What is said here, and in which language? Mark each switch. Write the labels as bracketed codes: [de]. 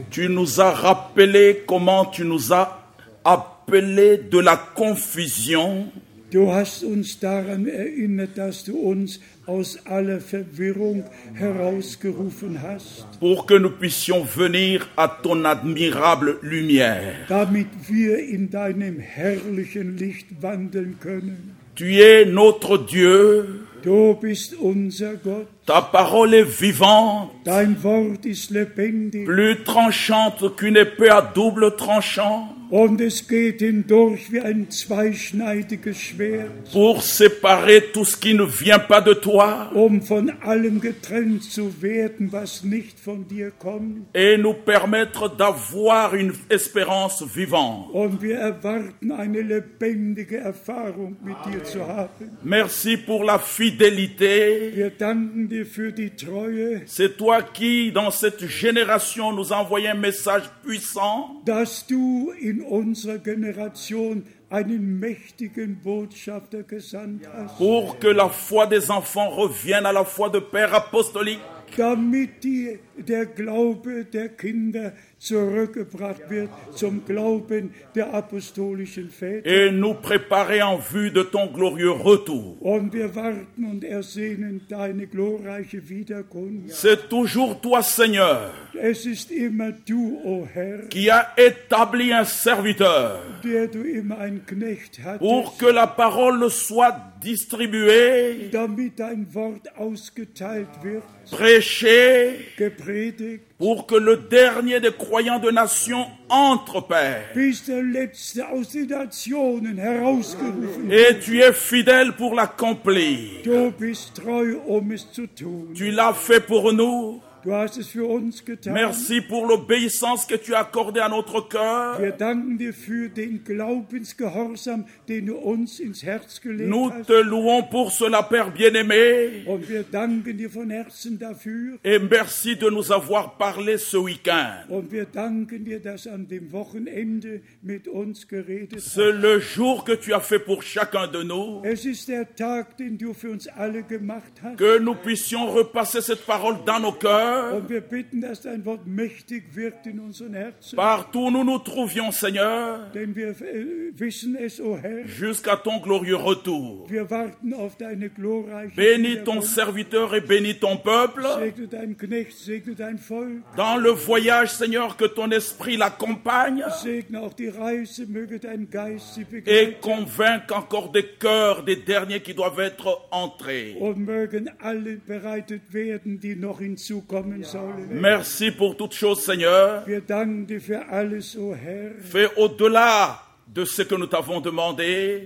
[fr] Tu nous as rappelé comment tu nous as appelé de la confusion. [de] Du hast uns daran erinnert, dass du uns aus aller Verwirrung herausgerufen hast. [fr] Pour que nous puissions venir à ton admirable lumière. [de] Damit wir in deinem herrlichen Licht wandeln können. [fr] Tu es notre Dieu. [de] Du bist unser Gott. [fr] Ta parole est vivante. [de] Dein Wort ist lebendig. [fr] Plus tranchante qu'une épée à double tranchant. [de] Und es geht hindurch wie ein zweischneidiges Schwert. [fr] Pour séparer tout ce qui ne vient pas de toi. [de] Um von allem getrennt zu werden, was nicht von dir kommt. [fr] Et nous permettre d'avoir une espérance vivante. [de] Und wir erwarten eine lebendige Erfahrung mit Amen. Dir zu haben. [fr] Merci pour la fidélité. [de] Wir danken dir für die Treue. [fr] C'est toi qui, dans cette génération, nous envoyais un message puissant. [de] Dass du in unserer Generation einen mächtigen Botschafter gesandt hast. [fr] Pour que la foi des enfants revienne à la foi de père apostolique. [de] Damit der Glaube der Kinder zurückgebracht wird zum Glauben der apostolischen Väter. [fr] Et nous préparer en vue de ton glorieux retour. [de] Und wir warten und ersehnen deine glorreiche Wiederkunft. [fr] C'est toujours toi, Seigneur. [de] Es ist immer du, o Herr. [fr] Qui a établi un serviteur. [de] Der du immer einen Knecht hattest. [fr] Pour que la parole soit distribuée. [de] Damit dein Wort ausgeteilt wird. [fr] prêché, [de] gepredigt, [fr] pour que le dernier des croyants de nations entre, Père. [de] Bis der letzte aus den Nationen herausgerufen. [fr] Et tu es fidèle pour l'accomplir. [de] Du bist treu, um es zu tun. [fr] Tu l'as fait pour nous. [de] Du hast es für uns getan. [fr] Merci pour l'obéissance que tu as accordée à notre cœur. [de] Wir danken dir für den Glaubensgehorsam, den du uns ins Herz gelegt hast. [fr] Nous te louons pour cela, Père bien-aimé. [de] Und wir danken dir von Herzen dafür. [fr] Et merci de nous avoir parlé ce week-end. [de] Und wir danken dir, dass an dem Wochenende mit uns geredet hast. [fr] C'est le jour que tu as fait pour chacun de nous. [de] Es ist der Tag, den du für uns alle gemacht hast. [fr] Que nous puissions repasser cette parole dans nos cœurs. [de] Und wir bitten, dass dein Wort mächtig wirkt in unseren Herzen. [fr] Partout nous nous trouvions, Seigneur. [de] Denn wir wissen es, o Herr. [fr] Jusqu'à ton glorieux retour. [de] Wir warten auf deine glorreiche. [fr] Bénis ton serviteur et bénis ton peuple. [de] Segne dein Knecht, segne dein Volk. [fr] Dans le voyage, Seigneur, que ton esprit l'accompagne. [de] Segne auch die Reise, möge dein Geist sie begleiten. [fr] Et convainc encore des cœurs des derniers qui doivent être entrés. [de] Und mögen alle bereitet werden, die noch hinzu. [fr] Merci pour toutes choses, Seigneur. [de] Wir danken dir für alles, o Herr. [fr] Fais au-delà de ce que nous t'avons demandé.